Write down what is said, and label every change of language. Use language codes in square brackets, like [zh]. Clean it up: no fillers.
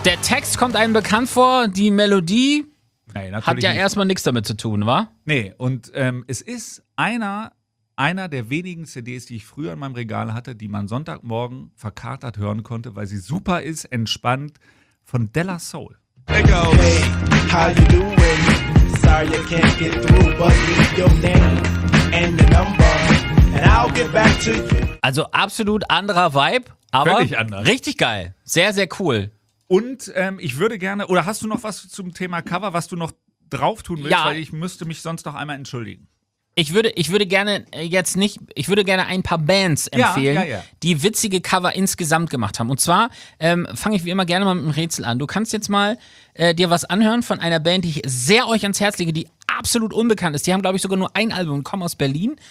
[de] Der Text kommt einem bekannt vor, die Melodie hat ja erstmal nichts damit zu tun, wa? Nee, und es ist einer der wenigen CDs, die ich früher in meinem Regal hatte, die man Sonntagmorgen verkatert hören konnte, weil sie super ist, entspannt, von De La Soul. [en] Hey, how you doing? Sorry, I can't get through, but leave your name and the number, and I'll get back to you. [de] Also absolut anderer Vibe. Aber völlig anders. Richtig geil. Sehr, sehr cool. Und ich würde gerne, oder hast du noch was zum Thema Cover, was du noch drauf tun willst? Ja. Weil ich müsste mich sonst noch einmal entschuldigen. Ich würde gerne ein paar Bands empfehlen, ja, ja, ja, die witzige Cover insgesamt gemacht haben. Und zwar fange ich wie immer gerne mal mit einem Rätsel an. Du kannst jetzt mal dir was anhören von einer Band, die ich sehr euch ans Herz lege, die absolut unbekannt ist. Die haben, glaube ich, sogar nur ein Album, kommen aus Berlin.